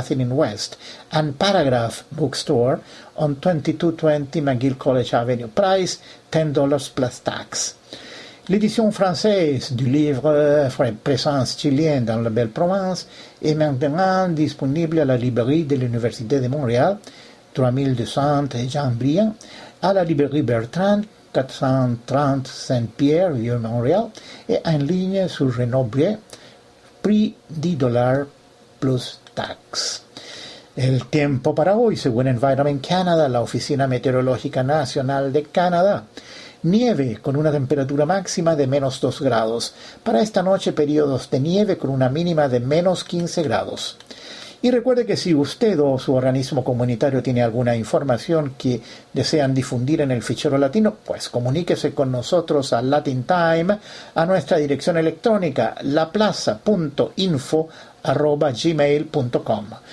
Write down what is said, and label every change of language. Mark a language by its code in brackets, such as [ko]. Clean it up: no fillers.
[en] Catherine West, and Paragraph Bookstore on 2220 McGill College Avenue. Price, $10 plus tax. [fr] L'édition française du livre Présence chilienne dans la Belle Province est maintenant disponible à la librairie de l'Université de Montréal, 3200 Jean Briand, à la librairie Bertrand, 430 Saint-Pierre, vieux Montréal, et en ligne sur Renaud Briand, prix $10 plus tax. [es] El tiempo para hoy, según Environment Canada, la Oficina Meteorológica Nacional de Canadá. Nieve con una temperatura máxima de menos 2 grados. Para esta noche, periodos de nieve con una mínima de menos 15 grados. Y recuerde que si usted o su organismo comunitario tiene alguna información que desean difundir en el fichero latino, pues comuníquese con nosotros a Latin Time a nuestra dirección electrónica laplaza.info@gmail.com.